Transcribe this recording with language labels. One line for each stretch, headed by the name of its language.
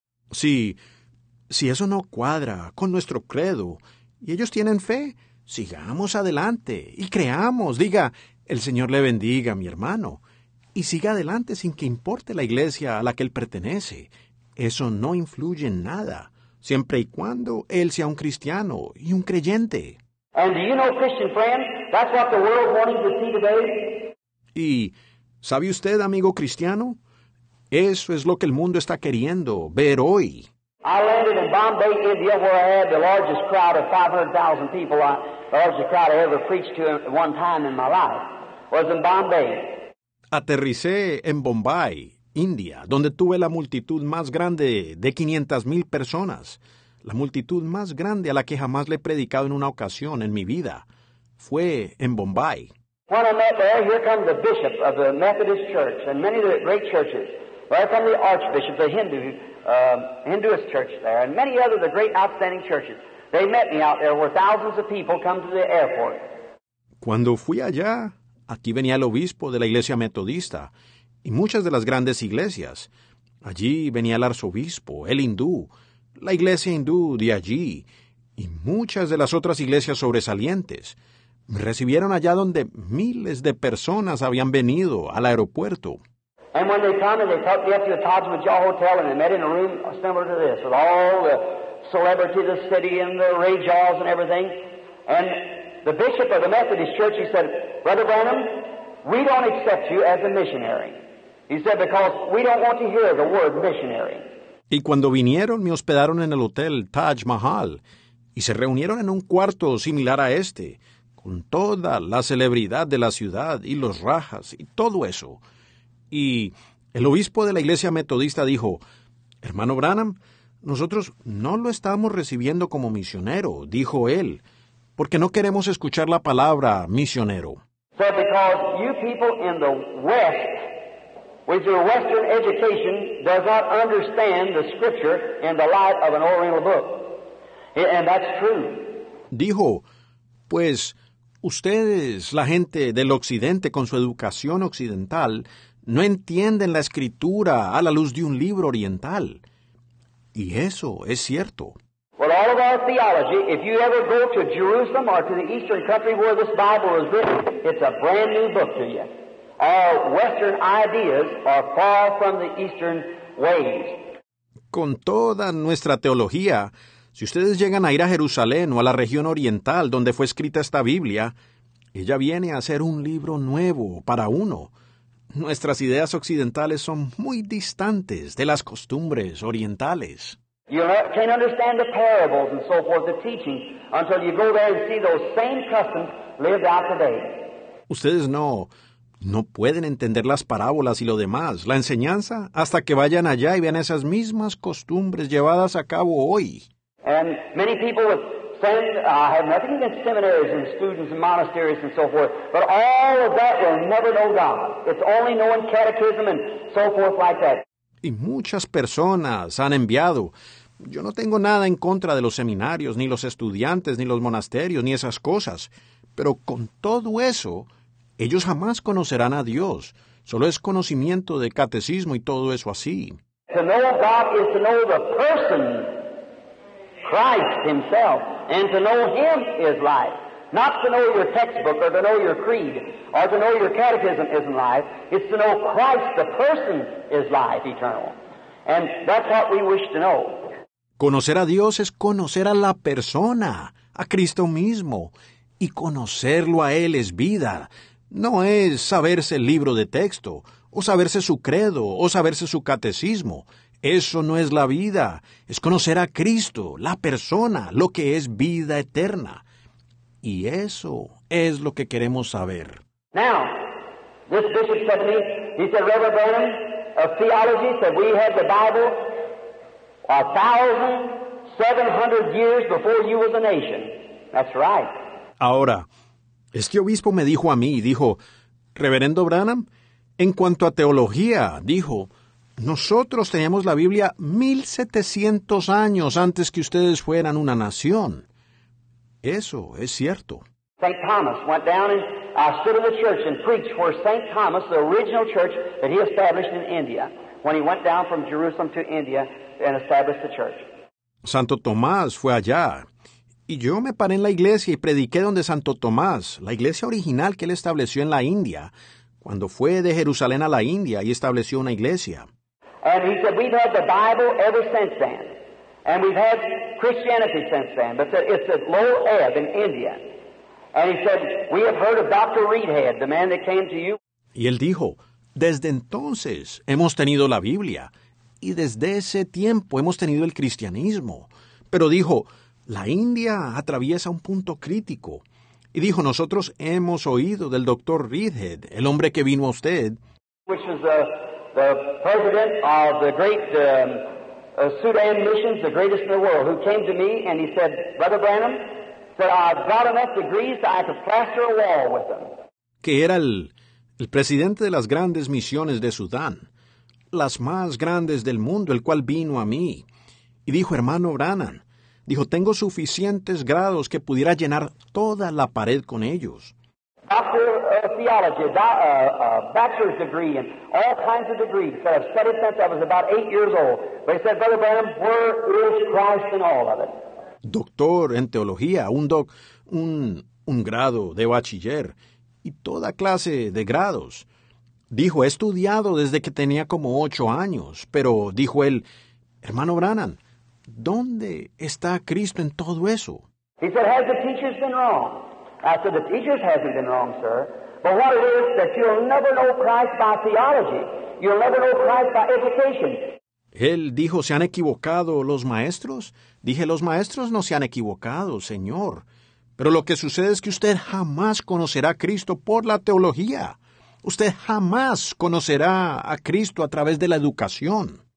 Spanish: Si eso no cuadra con nuestro credo, y ellos tienen fe, sigamos adelante y creamos. Diga, el Señor le bendiga, mi hermano. Y siga adelante sin que importe la iglesia a la que él pertenece. Eso no influye en nada, siempre y cuando él sea un cristiano y un creyente.
English: And do you know, Christian friend, that's what the world wanting to see today?
Spanish: Y, ¿sabe usted, amigo cristiano? Eso es lo que el mundo está queriendo ver hoy.
English: I landed in Bombay, India, where I had the largest crowd of 500,000 people, the largest crowd I ever preached to at one time in my life, was in Bombay.
Spanish: Aterricé en Bombay, India, donde tuve la multitud más grande de 500,000 personas, la multitud más grande a la que jamás le he predicado en una ocasión en mi vida. Fue en Bombay.
English: When I met there, here comes the bishop of the Methodist Church and many of the great churches. There come the archbishop, the Hindu. Hinduist church there, and many other the great outstanding churches. They met me out there where thousands of people come to the airport.
Spanish: Cuando fui allá, aquí venía el obispo de la iglesia metodista y muchas de las grandes iglesias. Allí venía el arzobispo, el hindú, la iglesia hindú de allí y muchas de las otras iglesias sobresalientes. Me recibieron allá donde miles de personas habían venido al aeropuerto.
English: And when they come and they took me up to the Taj Mahal Hotel and they met in a room similar to this with all the celebrity of the city and the Ray Jaws and everything. And the bishop of the Methodist Church, he said, Brother Branham, we don't accept you as a missionary. He said, because we don't want to hear the word missionary.
Spanish: Y cuando vinieron, me hospedaron en el hotel Taj Mahal y se reunieron en un cuarto similar a este con toda la celebridad de la ciudad y los rajas y todo eso. Y el obispo de la iglesia metodista dijo, hermano Branham, nosotros no lo estamos recibiendo como misionero, dijo él, porque no queremos escuchar la palabra misionero.
English: So because you people in the West, with your Western education, does not understand the scripture in the light of an oriental book. And that's true.
Spanish: Dijo, pues ustedes, la gente del occidente con su educación occidental, no entienden la escritura a la luz de un libro oriental. Y eso es cierto.
English: Well, all of our theology, if you ever go to Jerusalem or to the eastern country where this Bible is written, it's a brand new book to you. Our western ideas are far from the eastern ways.
Spanish: Con toda nuestra teología, si ustedes llegan a ir a Jerusalén o a la región oriental donde fue escrita esta Biblia, ella viene a ser un libro nuevo para uno. Nuestras ideas occidentales son muy distantes de las costumbres orientales.
English: You can't understand the parables and so forth, the teaching, until you go there and see those same customs lived out today.
Spanish: Ustedes no pueden entender las parábolas y lo demás, la enseñanza, hasta que vayan allá y vean esas mismas costumbres llevadas a cabo hoy.
English: And many people would send, I have nothing against seminaries and students and monasteries and so forth, but all of that will never know God. It's only knowing catechism and so forth like that.
Spanish: Y muchas personas han enviado. Yo no tengo nada en contra de los seminarios, ni los estudiantes, ni los monasterios, ni esas cosas. Pero con todo eso, ellos jamás conocerán a Dios. Solo es conocimiento de catecismo y todo eso así.
English: To know God is to know the person, Christ himself. And to know him is life. Not to know your textbook, or to know your creed, or to know your catechism isn't life. It's to know Christ, the person, is life eternal. And that's what we wish to know.
Spanish: Conocer a Dios es conocer a la persona, a Cristo mismo. Y conocerlo a Él es vida. No es saberse el libro de texto, o saberse su credo, o saberse su catecismo. Eso no es la vida. Es conocer a Cristo, la persona, lo que es vida eterna. Y eso es lo que queremos saber.
English: Now, this bishop said to me, he said, Reverend Branham of theology said we had the Bible 1,700 years before you was a nation. That's right.
Spanish: Ahora, este obispo me dijo a mí, dijo, Reverendo Branham, en cuanto a teología, dijo, nosotros teníamos la Biblia 1,700 años antes que ustedes fueran una nación. Eso es cierto.
English: St. Thomas went down and stood in the church and preached where St. Thomas, the original church that he established in India, when he went down from Jerusalem to India and established the church.
Spanish: Santo Tomás fue allá, y yo me paré en la iglesia y prediqué donde Santo Tomás, la iglesia original que él estableció en la India, cuando fue de Jerusalén a la India y estableció una iglesia.
English: And he said, we've had the Bible ever since then. And we've had Christianity since then, but it's at low ebb in India. And he said, we have heard of Dr. Reedhead, the man that came to you.
Spanish: Y él dijo, desde entonces hemos tenido la Biblia, y desde ese tiempo hemos tenido el cristianismo. Pero dijo, la India atraviesa un punto crítico. Y dijo, nosotros hemos oído del Dr. Reedhead, el hombre que vino a usted.
English: Which is the president of the great Sudan missions, the greatest in the world, who came to me and he said, Brother Branham, said, I've got enough degrees that I could plaster a wall with them.
Spanish: Que era el presidente de las grandes misiones de Sudán, las más grandes del mundo, el cual vino a mí. Y dijo, hermano Branham, dijo, tengo suficientes grados que pudiera llenar toda la pared con ellos.
English: Doctor of theology, bachelor's degree, and all kinds of degrees that I've studied since I was about 8 years old. But he said, Brother Branham, where is Christ in all of it?
Spanish: Doctor en teología, un grado de bachiller, y toda clase de grados. Dijo, he estudiado desde que tenía como 8 años, pero dijo él, hermano Branham, ¿dónde está Cristo en todo eso?
English: He said, has the teachers been wrong? I said, the teachers hasn't been wrong, sir. But what it is that you'll never know Christ by theology. You'll never know Christ by education.
Spanish: Él dijo, ¿se han equivocado los maestros? Dije, los maestros no se han equivocado, señor. Pero lo que sucede es que usted jamás conocerá a Cristo por la teología. Usted jamás conocerá a Cristo a través de la educación.